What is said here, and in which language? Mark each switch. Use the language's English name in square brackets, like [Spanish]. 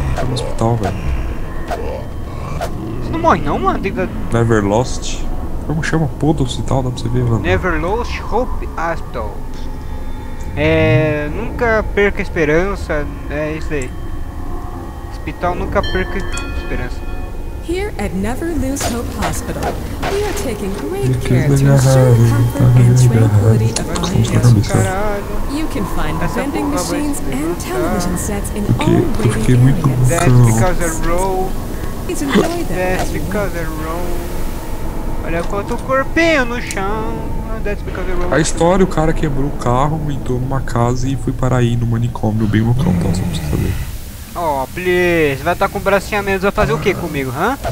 [Portuguese] Tá no hospital, velho. Você não morre não, mano? Tem que... [English] Never Lost. [Portuguese] Como chama porra do hospital, dá pra você ver, mano. [English] Never Lost Hope Hospital. É... [Portuguese] Nunca perca esperança, é isso aí. Hospital nunca perca esperança. [English] Here at Never Lose Hope Hospital, we are taking great care to ensure the comfort and tranquility of our patients. You can find vending machines and television sets in all waiting areas. That's because I roll. Please enjoy them. That's because I roll. [Portuguese] Olha quanto corpinho no chão. A história, o cara quebrou o carro, entrou numa casa e foi parar aí no manicômio bem loucão, tá? Só pra você saber. [English] Oh, please, [Portuguese] vai estar com o bracinho a menos, vai fazer o que comigo, hã?